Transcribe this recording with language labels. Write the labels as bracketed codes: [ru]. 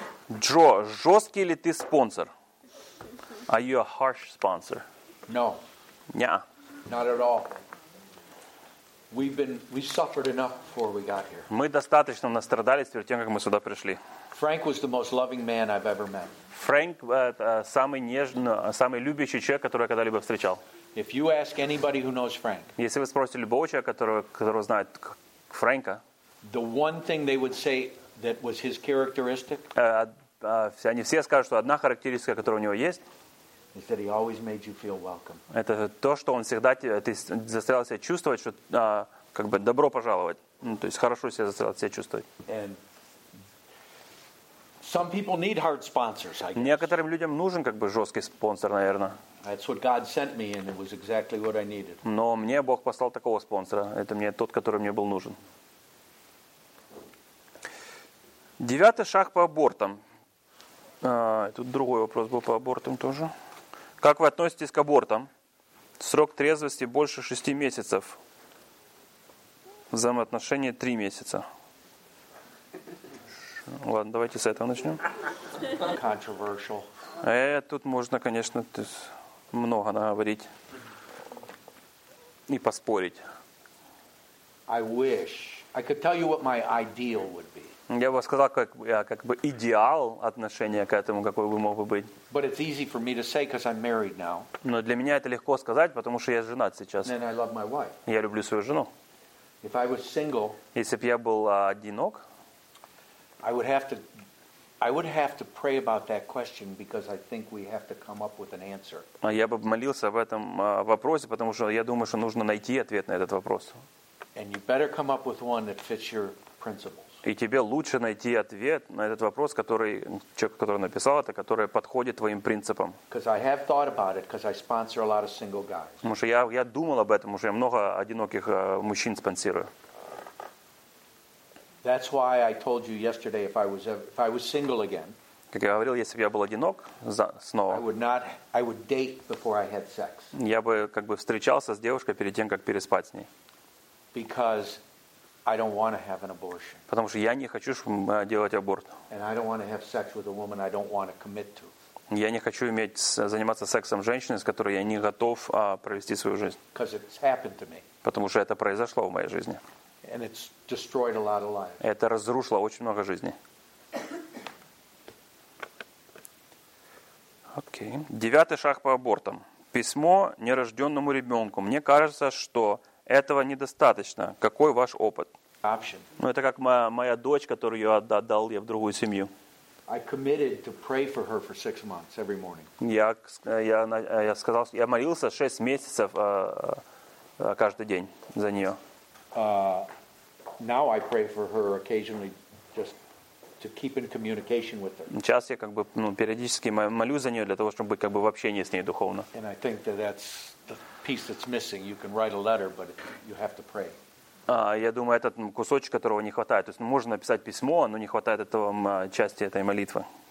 [ru] Джо, жесткий ли ты спонсор? [en] Are you a harsh sponsor? No. Yeah. Not at all. We suffered enough before we got here. [ru] Мы достаточно настрадались перед тем, как мы сюда пришли. [en] Frank was the most loving man I've ever met. [ru] Frank самый нежный, самый любящий человек, которого я когда-либо встречал. [en] If you ask anybody who knows Frank, [ru] если вы спросите любого человека, которого знает Фрэнка, [en] the one thing they would say that was his characteristic, [ru] они все скажут, что одна характеристика, которая у него есть. [en] He said he always made you feel welcome. [ru] Это то, что он всегда ты заставлял себя чувствовать, что добро пожаловать. То есть хорошо себя заставлял себя чувствовать. [en] And some people need hard sponsors, I guess. [ru] Некоторым людям нужен жесткий спонсор, наверное. [en] That's what God sent me, and it was exactly what I needed. [ru] Но мне Бог послал такого спонсора. Это мне тот, который мне был нужен. Девятый шаг по абортам. Тут другой вопрос был по абортам тоже. Как вы относитесь к абортам? Срок трезвости больше 6 месяцев. Взаимоотношения 3 месяца. Ладно, давайте с этого начнем. [en] Controversial. [ru] Тут можно, конечно, много наговорить и поспорить. [en] I wish I could tell you what my ideal would be. [ru] Я бы сказал, как идеал отношения к этому, какой бы мог бы быть. [en] But it's easy for me to say, 'cause I'm married now. [ru] Но для меня это легко сказать, потому что я женат сейчас. [en] And I love my wife. [ru] Я люблю свою жену. [en] If I was single, [ru] если бы я был одинок, [en] I would have to pray about that question, because I think we have to come up with an answer. [ru] Я бы молился об этом вопросе, потому что я думаю, что нужно найти ответ на этот вопрос. [en] And you better come up with one that fits your principles. [ru] И тебе лучше найти ответ на этот вопрос, который человек, который написал это, который подходит твоим принципам. Потому что я думал об этом, уже я много одиноких мужчин спонсирую. [en] That's why I told you yesterday, if I was single again. [ru] Как я говорил, если бы я был одинок снова. [en] I would date before I had sex. [ru] Я бы встречался с девушкой перед тем, как переспать с ней. [en] Because I don't want to have an abortion. [ru] Потому что я не хочу делать аборт. [en] And I don't want to have sex with a woman I don't want to commit to. [ru] Я не хочу заниматься сексом с женщиной, с которой я не готов провести свою жизнь. [en] Because it's happened to me. [ru] Потому что это произошло в моей жизни. [en] And it's destroyed a lot of lives. [ru] Это разрушило очень много жизней. Окей. Девятый шаг по абортам. Письмо нерожденному ребенку. Мне кажется, что этого недостаточно. Какой ваш опыт? [en] Option. [ru] Ну, это как моя дочь, которую я отдал в другую семью. [en] I committed to pray for her for 6 months every morning. [ru] Я сказал, я молился 6 месяцев каждый день за нее. [en] Now I pray for her occasionally, just to keep in communication with her. [ru] Сейчас я как бы периодически молю за нее для того, чтобы быть как бы в общении с ней духовно. [en] And I think that's the piece that's missing. You can write a letter, but you have to pray. [ru] Я думаю, этот кусочек, которого не хватает. То есть можно написать письмо, но не хватает этого части этой молитвы.